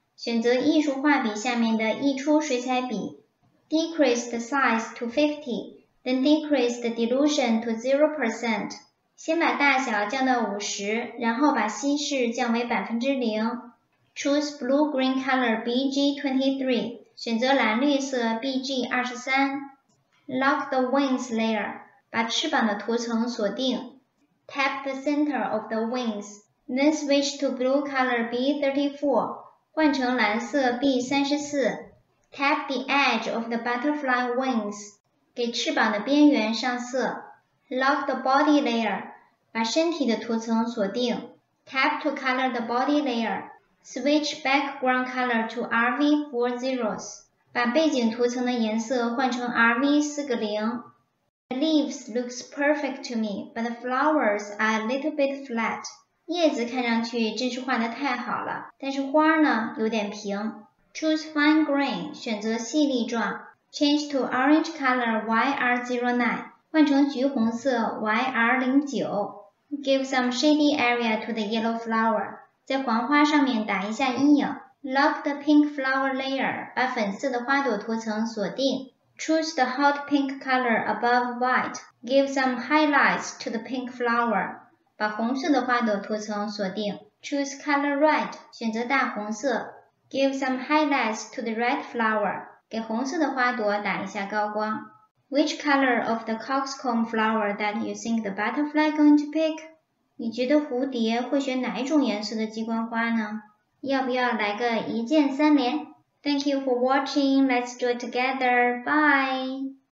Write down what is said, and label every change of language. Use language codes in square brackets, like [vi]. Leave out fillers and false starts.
[zh] 选择艺术画笔下面的溢出水彩笔。 [en] Decrease the size to 50, then decrease the dilution to 0%. [zh] 先把大小降到50，然后把稀释降为 0%。 [en] Choose blue-green color BG23, [zh] 选择蓝绿色 [en] BG23. Lock the wings layer, [zh] 把翅膀的涂层锁定。 [en] Tap the center of the wings, then switch to blue color B34, [zh] 换成蓝色 [en] B34. Tap the edge of the butterfly wings, [zh] 给翅膀的边缘上色。 [en] Lock the body layer, [zh] 把身体的涂层锁定。 [en] Tap to color the body layer. Switch background color to RV40s. [zh] 把背景涂层的颜色换成 RV40. [en] The leaves look perfect to me, but the flowers are a little bit flat. [zh] 叶子看上去真是画得太好了，但是花呢，有点平。 [en] Choose fine grain, [zh] 选择细粒状。 [en] Change to orange color YR09, [zh] 换成橘红色 [en] YR09. Give some shady area to the yellow flower. [zh] 在黄花上面打一下阴影。 [en] Lock the pink flower layer, [zh] 把粉色的花朵涂层锁定。 [en] Choose the hot pink color above white. Give some highlights to the pink flower. [zh] 把红色的花朵涂层锁定。 [en] Choose color red, [zh] 选择大红色。 [en] Give some highlights to the red flower. [zh] 给红色的花朵打一下高光。 [en] Which color of the cockscomb flower that you think the butterfly going to pick? [zh] 你觉得蝴蝶会选哪一种颜色的鸡冠花呢？要不要来个一键三连？ [en] Thank you for watching. Let's do it together. Bye.